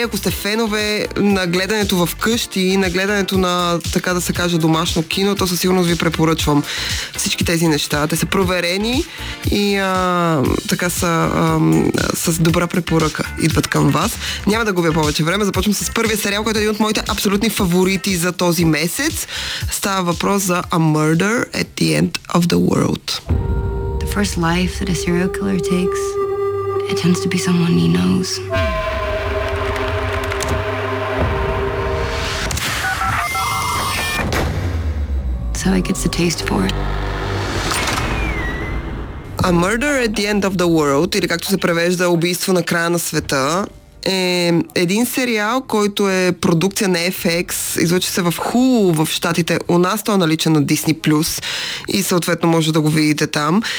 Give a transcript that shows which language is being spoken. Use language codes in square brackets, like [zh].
[bg] Ако сте фенове на гледането в къщи и на гледането на, така да се каже, домашно кино, то със сигурност ви препоръчвам всички тези неща. Те са проверени и така са с добра препоръка идват към вас. Няма да губя повече време. Започвам с първия сериал, който е един от моите абсолютни фаворити за този месец. Става въпрос за A Murder at the End of the World. [en] The first life that a serial killer takes, it tends to be someone he knows. So he gets the taste for it. [bg] A Murder at the End of the World, или както се превежда Убийство на края на света, е един сериал, който е продукция на FX, излъчва се в Hulu в щатите. У нас той е наличен на Disney+, и съответно може да го видите там.